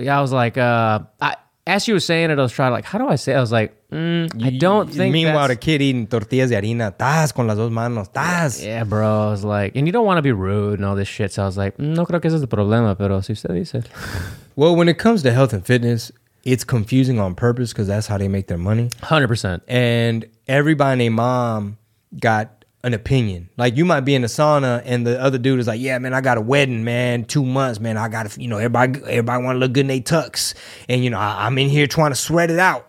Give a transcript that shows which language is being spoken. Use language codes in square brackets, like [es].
[en] Yeah, I was like, as she was saying it, I was trying to like, how do I say it? I was like, I don't think meanwhile, the kid eating [es] tortillas de harina, estás con las dos manos, estás. [en] Yeah, bro. I was like, and you don't want to be rude and all this shit. So I was like, [es] no creo que ese es el problema, pero si usted dice. [en] Well, when it comes to health and fitness, it's confusing on purpose because that's how they make their money. 100%. And everybody named mom got an opinion. Like, you might be in the sauna and the other dude is like, yeah, man, I got a wedding, man, 2 months, man. I got to, you know, everybody want to look good in their tux. And, you know, I'm in here trying to sweat it out.